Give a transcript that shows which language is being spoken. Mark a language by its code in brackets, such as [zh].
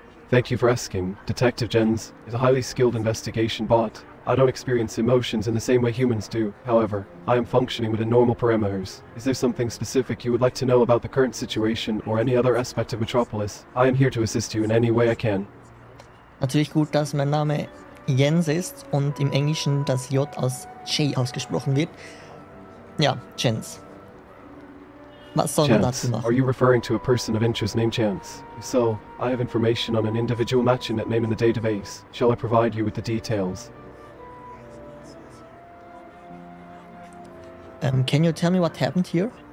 [en] Thank you for asking. Detective Jens is a highly skilled investigation bot. I don't experience emotions in the same way humans do. However, I am functioning within normal parameters. Is there something specific you would like to know about the current situation or any other aspect of Metropolis? I am here to assist you in any way I can. [de] Natürlich gut, dass mein Name Jens ist und im Englischen das J als J ausgesprochen wird. Ja, Jens. Was soll Chance, man dazu machen? [en] Are you referring to a person of interest named Chance? If so, I have information on an individual matching that name in the database. Shall I provide you with the details? Can you tell me what happened here?